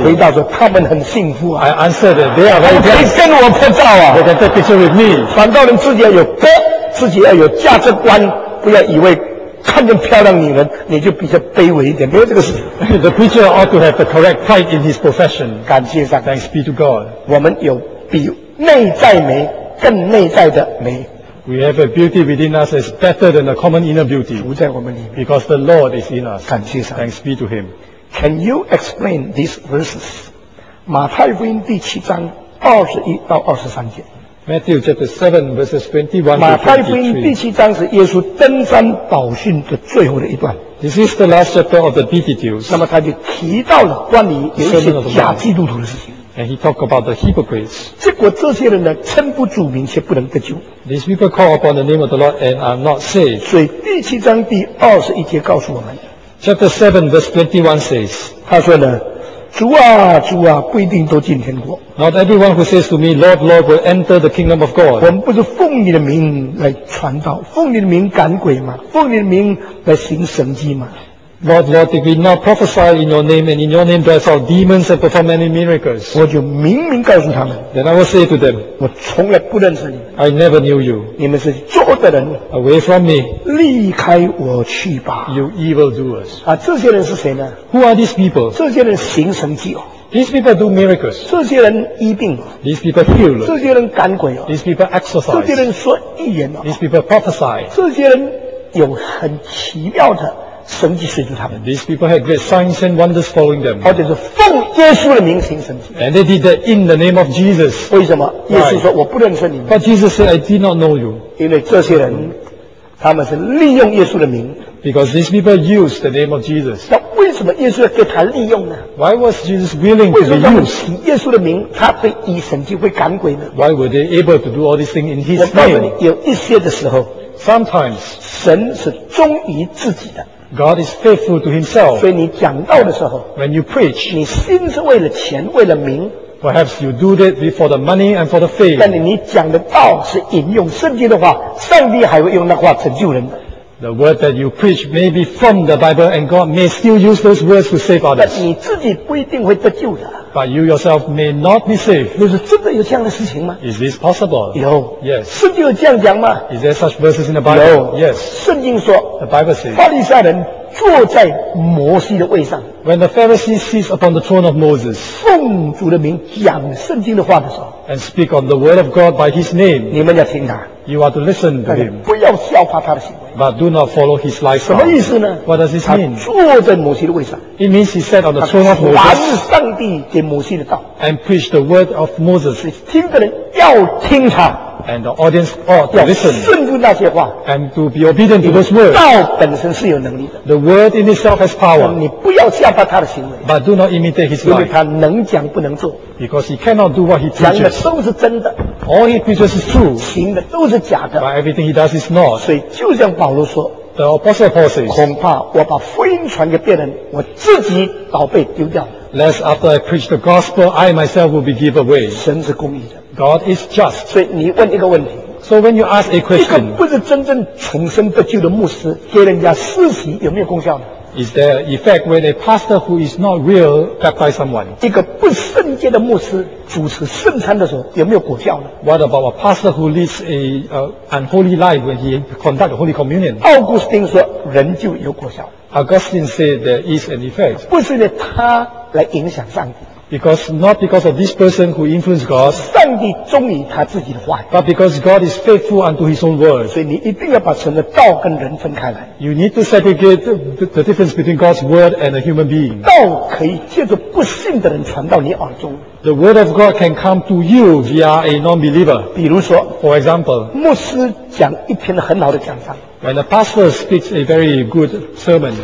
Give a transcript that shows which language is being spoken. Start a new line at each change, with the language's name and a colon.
Chinese: 我回答说：“他们很幸福啊。
English: ”I answered that they are very blessed.
Chinese: 你可以跟我拍照啊。
English: They can take picture with me.
Chinese: 反倒人自己要有德，自己要有价值观，不要以为。看见漂亮女人，你就比较卑微一点，没有这个事。
English: The preacher ought to have the correct pride in his profession.
Chinese: 感谢上帝。
English: Thanks be to God.
Chinese: 我们有比内在美更内在的美。
English: We have a beauty within us that is better than a common inner beauty.
Chinese: 住在我们里面。
English: Because the Lord is in us.
Chinese: 感谢神。
English: Thanks be to Him. Can you explain these verses?
Chinese: 马太福音第七章二十一到二十三节。
English: Matthew chapter 7 verses 21-23.
Chinese: 马太福音第七章是耶稣登山祷训的最后的一段。
English: This is the last chapter of the Beatitudes.
Chinese: 那么他就提到了关于有一些假基督徒的事情。
English: And he talked about the hypocrites.
Chinese: 结果这些人呢，称不主名，却不能得救。
English: These people call upon the name of the Lord and are not saved.
Chinese: 所以第七章第二十一节告诉我们。
English: Chapter 7 verse 21 says.
Chinese: 他说呢，主啊主啊，不一定都进天国。
English: Not everyone who says to me, Lord, Lord, will enter the kingdom of God.
Chinese: 我们不是奉你的名来传道，奉你的名赶鬼吗？奉你的名来行神迹吗？
English: Lord, Lord, did we not prophesy in your name and in your name drive out demons and perform many miracles?
Chinese: 我就明明告诉他们。
English: Then I will say to them,
Chinese: 我从来不认识你。
English: I never knew you.
Chinese: 你们是作的人。
English: Away from me.
Chinese: 离开我去吧。
English: You evil doers.
Chinese: 啊，这些人是谁呢？
English: Who are these people?
Chinese: 这些人行神迹哦。
English: These people do miracles.
Chinese: 这些人医病。
English: These people heal.
Chinese: 这些人赶鬼哦。
English: These people exercise.
Chinese: 这些人说预言哦。
English: These people prophesy.
Chinese: 这些人有很奇妙的神迹随着他们。
English: These people had great signs and wonders following them.
Chinese: 而且是奉耶稣的名行神迹。
English: And they did that in the name of Jesus.
Chinese: 为什么？耶稣说：“我不认识你们。”
English: But Jesus said, "I did not know you."
Chinese: 因为这些人，他们是利用耶稣的名。
English: Because these people use the name of Jesus.
Chinese: 那为什么耶稣要给他利用呢？
English: Why was Jesus willing to be used?
Chinese: 为什么用耶稣的名，他会以神迹会赶鬼呢？
English: Why were they able to do all these things in His name?
Chinese: 我告诉你，有一些的时候，
English: sometimes
Chinese: 神是忠于自己的。
English: God is faithful to Himself.
Chinese: 所以你讲道的时候，
English: when you preach,
Chinese: 你心是为了钱，为了名。
English: Perhaps you do that for the money and for the fame.
Chinese: 但你讲的道是引用圣经的话，上帝还会用那话拯救人。
English: The word that you preach may be from the Bible, and God may still use those words to save others.
Chinese: 但你自己不一定会得救的。
English: But you yourself may not be saved.
Chinese: 就是真的有这样的事情吗？
English: Is this possible?
Chinese: 有。
English: Yes.
Chinese: 圣经有这样讲吗？
English: Is there such verses in the Bible?
Chinese: 有。
English: Yes.
Chinese: 圣经说，
English: The Bible says,
Chinese: 法利赛人坐在摩西的位上。
English: When the Pharisees sit upon the throne of Moses,
Chinese: 奉主的名讲圣经的话的时候，
English: and speak on the word of God by His name,
Chinese: 你们要听他。
English: You are to listen to him.
Chinese: 不要效法他的行为。
English: But do not follow his lifestyle.
Chinese: 什么意思呢？
English: What does this mean?
Chinese: 他坐在摩西的位上。
English: It means he sat on the throne of Moses.
Chinese: 他传上帝给摩西的道。
English: And preached the word of Moses.
Chinese: 听的人要听他。
English: And the audience ought to listen.
Chinese: 要顺服那些话。
English: And to be obedient to those words.
Chinese: 道本身是有能力的。
English: The word in itself has power.
Chinese: 你不要效法他的行为。
English: But do not imitate his life.
Chinese: 因为他能讲不能做。
English: Because he cannot do what he preaches.
Chinese: 讲的都是真的。
English: All he preaches is true.
Chinese: 行的都是假的。
English: But everything he does is not.
Chinese: 所以就像保罗说。
English: The apostle Paul says.
Chinese: 恐怕我把福音传给别人，我自己倒被丢掉。
English: Lest after I preach the gospel, I myself will be given away.
Chinese: 神是公义的。
English: God is just.
Chinese: 所以你问一个问题。
English: So when you ask a question.
Chinese: 一个不是真正重生得救的牧师，给人家施洗有没有功效呢？
English: Is there an effect when a pastor who is not real baptize someone?
Chinese: 一个不圣洁的牧师主持圣餐的时候有没有果效呢？
English: What about a pastor who leads an unholy life when he conducts the Holy Communion?
Chinese: Augustine 说人就有果效。
English: Augustine said there is an effect.
Chinese: 不是他来影响上帝。
English: Because not because of this person who influenced God,
Chinese: 上帝忠于他自己的话。
English: But because God is faithful unto His own word,
Chinese: 所以你一定要把神的道跟人分开来。
English: You need to segregate the difference between God's word and a human being.
Chinese: 道可以借着不信的人传到你耳中。
English: The word of God can come to you via a non-believer.
Chinese: 比如说
English: ，For example,
Chinese: 牧师讲一篇很好的讲章。
English: When a pastor speaks a very good sermon,